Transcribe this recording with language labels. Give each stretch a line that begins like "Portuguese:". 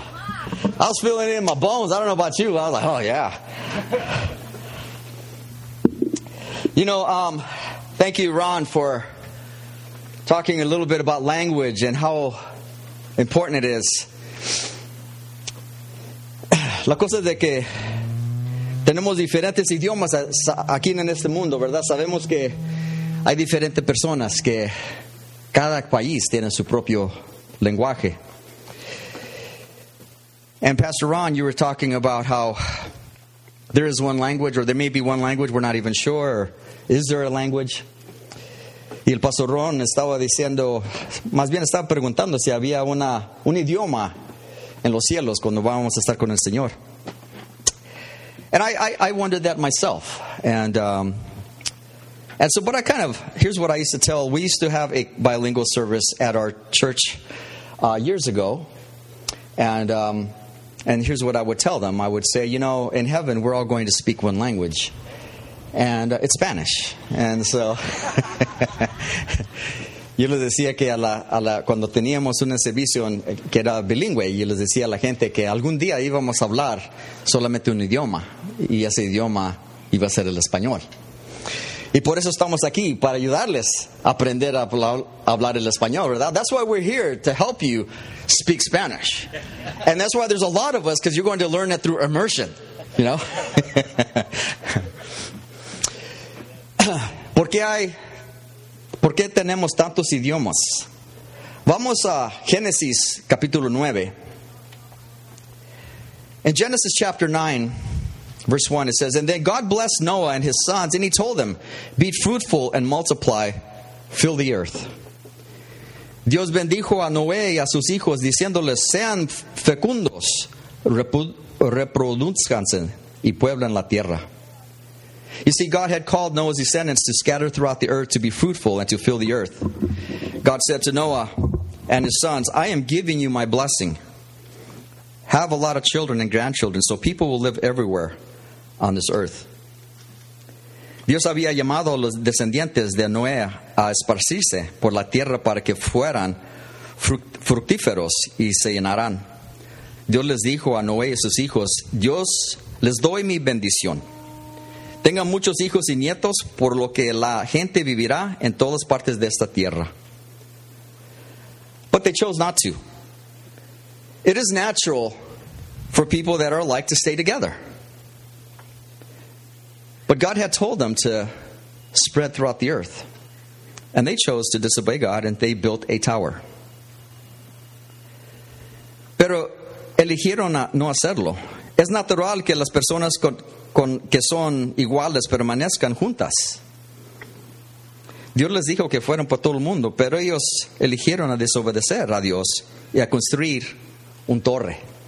English: I was feeling it in my bones. I don't know about you. I was like, oh, yeah. You know, thank you, Ron, for talking a little bit about language and how important it is.
Spanish: La cosa es de que tenemos diferentes idiomas aquí en este mundo, ¿verdad? Sabemos que hay diferentes personas, que cada país tiene su propio lenguaje.
English: And Pastor Ron, you were talking about how there is one language, or there may be one language, we're not even sure. Is there a language?
Spanish: Y el Pastor Ron estaba diciendo, más bien estaba preguntando si había un idioma en los cielos cuando vamos a estar con el Señor.
English: And I wondered that myself. Here's what I used to tell. We used to have a bilingual service at our church years ago. And here's what I would tell them. I would say, you know, in heaven, we're all going to speak one language. And it's Spanish. And so,
Spanish: yo les decía que cuando teníamos un servicio que era bilingüe, yo les decía a la gente que algún día íbamos a hablar solamente un idioma. Y ese idioma iba a ser el español. Y por eso estamos aquí, para ayudarles a aprender a hablar el español, ¿verdad?
English: That's why we're here, to help you speak Spanish. And that's why there's a lot of us, because you're going to learn it through immersion, you know?
Spanish: ¿Por qué tenemos tantos idiomas? Vamos a Génesis capítulo 9.
English: In Genesis chapter 9, verse 1, it says, "And then God blessed Noah and his sons, and he told them, 'Be fruitful and multiply, fill the earth.
Spanish: Dios bendijo a Noé y a sus hijos diciéndoles, sean fecundos, reproduzcanse y pueblen la tierra.
English: You see, God had called Noah's descendants to scatter throughout the earth to be fruitful and to fill the earth. God said to Noah and his sons, I am giving you my blessing. Have a lot of children and grandchildren so people will live everywhere on this earth.
Spanish: Dios había llamado a los descendientes de Noé a esparcirse por la tierra para que fueran fructíferos y se llenaran. Dios les dijo a Noé y sus hijos, Dios les doy mi bendición. Tengan muchos hijos y nietos, por lo que la gente vivirá en todas partes de esta tierra.
English: But they chose not to. It is natural for people that are alike to stay together. But God had told them to spread throughout the earth. And they chose to disobey God and they built a tower.
Spanish: Pero eligieron no hacerlo. Es natural que las personas con que son iguales permanezcan juntas. Dios les dijo que fueran por todo el mundo, pero ellos eligieron a desobedecer a Dios y a construir un torre.